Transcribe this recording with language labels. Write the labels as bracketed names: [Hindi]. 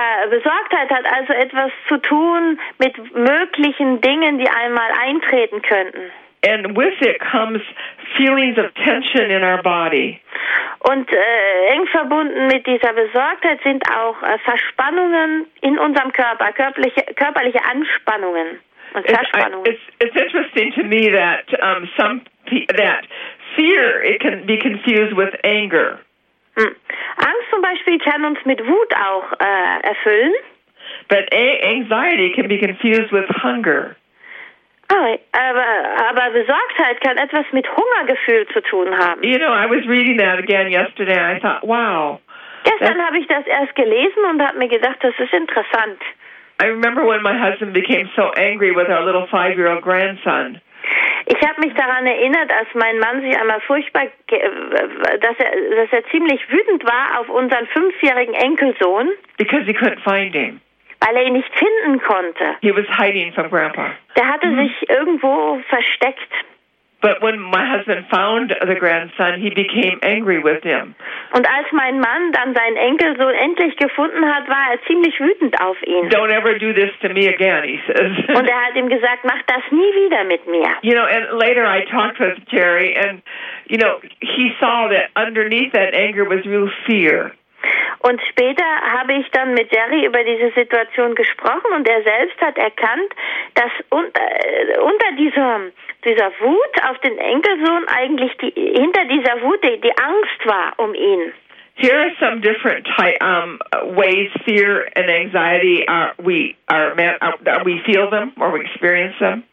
[German] Besorgtheit hat also etwas zu tun mit möglichen Dingen, die einmal eintreten könnten. [English] And with it comes feelings of tension in our body. [German] Und eng verbunden mit dieser Besorgtheit sind auch Verspannungen in unserem Körper, körperliche Anspannungen und Verspannungen. [English] It's interesting to me that that fear it can be confused with anger. [German] Angst zum Beispiel kann uns mit Wut auch erfüllen. [English] But anxiety can be confused with hunger. [German] Aber Besorgtheit kann etwas mit Hungergefühl zu tun haben. [English] You know, I was reading that again yesterday and I thought, wow. [German] Gestern habe ich das erst gelesen und habe mir gedacht, das ist interessant. [English] I remember when my husband became so angry with our little 5-year-old grandson. [German] Ich habe mich daran erinnert, als mein Mann sich einmal furchtbar, dass er ziemlich wütend war auf unseren 5-jährigen Enkelsohn. [English] Because he couldn't find him. [German] Weil er ihn nicht finden konnte. [English] He was hiding from Grandpa. [German] Der hatte sich irgendwo versteckt. [English] But when my husband found the grandson, he became angry with him. [German] Und als mein Mann dann seinen Enkelsohn endlich gefunden hat, war er ziemlich wütend auf ihn. [English] Don't ever do this to me again, he says. [German] Und er hat ihm gesagt, mach das nie wieder mit mir. [English] You know, and later I talked with Jerry, and you know, he saw that underneath that anger was real fear. [German] Und später habe ich dann mit Jerry über diese Situation gesprochen und er selbst hat erkannt, dass unter dieser Wut auf den Enkelsohn eigentlich hinter dieser Wut die Angst war um ihn. [English] Here are some different ways fear and anxiety we feel them or we experience them.